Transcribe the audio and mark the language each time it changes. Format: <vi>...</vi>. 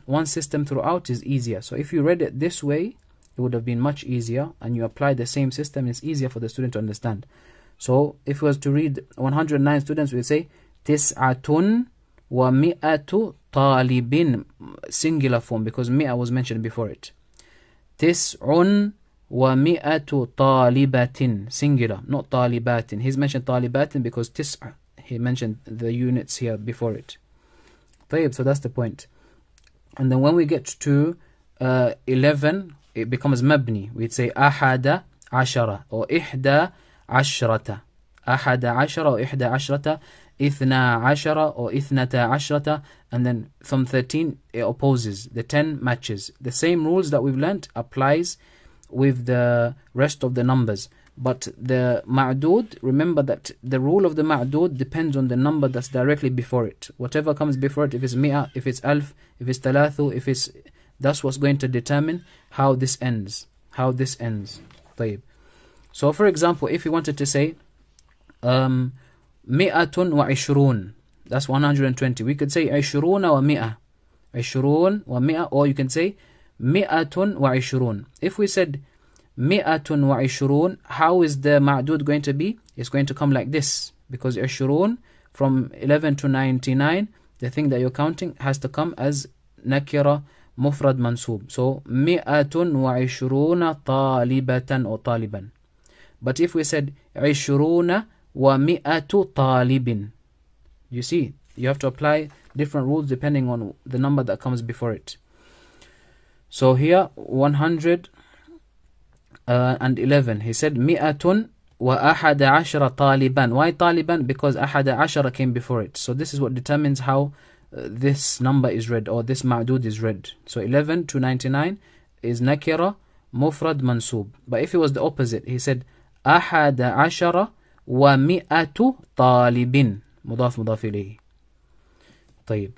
<en>One system throughout is easier. So if you read it this way, it would have been much easier. And you apply the same system, it's easier for the student to understand. So if we was to read 109 students, we'd say,</en> <ar>تِسْعَةٌ وَمِئَةُ طَالِبٍ</ar> <en>Singular form, because مِئَة was mentioned before it.</en> <ar>تِسْعٌ وَمِئَةُ طَالِبَةٍ</ar> <en>Singular, not</en> <ar>طَالِبَاتٍ.</ar> <en>He's mentioned طَالِبَاتٍ because تِسْعَةٌ He mentioned the units here before it. طيب, so that's the point. And then when we get to 11, it becomes مبني. We'd say</en> <ar>أحد عشرة or إحدى عشرة. أحد عشرة or إحدى عشرة. إثنى عشرة or إثنتا عشرة.</ar> <en>And then from 13, it opposes. The 10 matches. The same rules that we've learned applies with the rest of the numbers. But the ma'dud, remember that the rule of the ma'dud depends on the number that's directly before it. Whatever comes before it, if it's mi'a, if it's alf, if it's talathu, if it's... That's what's going to determine how this ends. How this ends. طيب. So for example, if you wanted to say,</en> <ar>mi'atun wa ishroon.</ar> <en>That's 120. We could say,</en> <ar>ishroon wa mi'a. Ishroon wa mi'a.</ar> <en>Or you can say,</en> <ar>mi'atun wa ishroon.</ar> <en>If we said...</en> <ar>مِئَةٌ وَعِشْرُونَ</ar> <en>How is the ma'dud going to be? It's going to come like this. Because عِشْرُونَ from 11 to 99, the thing that you're counting has to come as</en> <ar>نَكِرَ مُفْرَد مَنْسُوب.</ar> <en>So,</en> <ar>مِئَةٌ وَعِشْرُونَ طَالِبَةً</ar> <en>or طَالِبًا. But if we said</en> <ar>عِشْرُونَ وَمِئَةُ طَالِبٍ</ar> <en>You see, you have to apply different rules depending on the number that comes before it. So here, 100... and 11, he said,</en> <ar>مِئَةٌ وَأَحَدَ عَشَرَ طَالِبًا</ar> <en>Why طَالِبًا? Because</en> <ar>أَحَدَ عَشَرَ</ar> <en>came before it. So this is what determines how this number is read, or this ma'dud is read. So 11 to 99 is</en> <ar>نَكِرَ مُفْرَد مَنْسُوب.</ar> <en>But if it was the opposite, he said,</en> <ar>أَحَدَ عَشَرَ وَمِئَةُ طَالِبٍ مُضَافْ مُضَافْ إِلَيْهِ طيب.</ar>